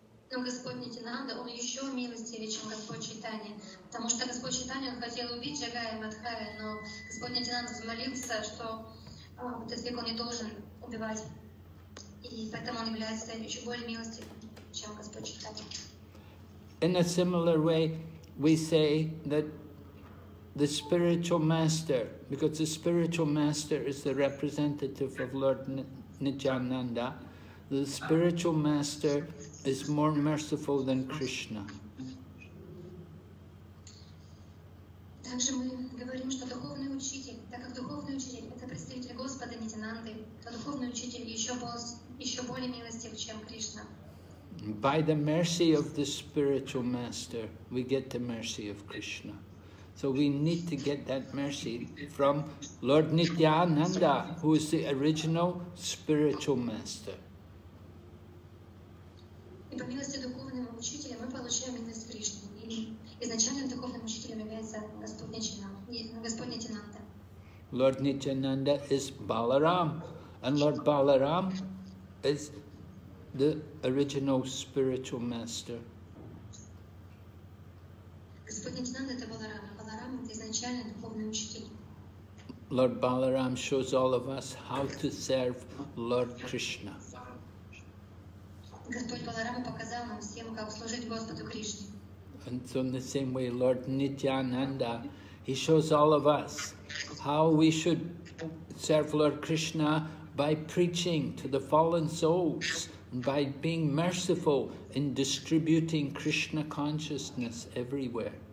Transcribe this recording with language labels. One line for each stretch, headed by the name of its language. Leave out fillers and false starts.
Russian: Но Господь Нитинанда, он еще милостивее, чем Господь Читания, потому что Господь Читания, он хотел убить Джагая и Мадхая, но Господь Нитинанда взмолился, что этот век он не должен убивать, и поэтому он является еще более милостивым, чем Господь Читания.
English: In a similar way, we say that the spiritual master, because the spiritual master is the representative of Lord Nityananda, the spiritual master is more merciful than Krishna.
Russian: Также мы говорим, что духовный учитель, так как духовный учитель это представитель Господа Нитинанды, то духовный учитель еще более милостив, чем Кришна.
English: By the mercy of the spiritual master, we get the mercy of Krishna. So we need to get that mercy from Lord Nityananda, who is the original spiritual master.
Russian: И по милости духовного учителя мы получаем милость Кришны. И изначальным духовным учителем является Господь Нитинанда.
English: Lord Nityananda is Balaram, and Lord Balaram is the original spiritual master.
Russian: Господь Нитинанда это Баларам, а Баларам это изначальный духовный учитель.
English: Lord Balaram shows all of us how to serve Lord Krishna.
Russian: Господь Баларама показал нам всем, как служить Господу Кришне.
English: And so in the same way, Lord Nityananda, he shows all of us how we should serve Lord Krishna by preaching to the fallen souls, by being merciful in distributing Krishna consciousness everywhere.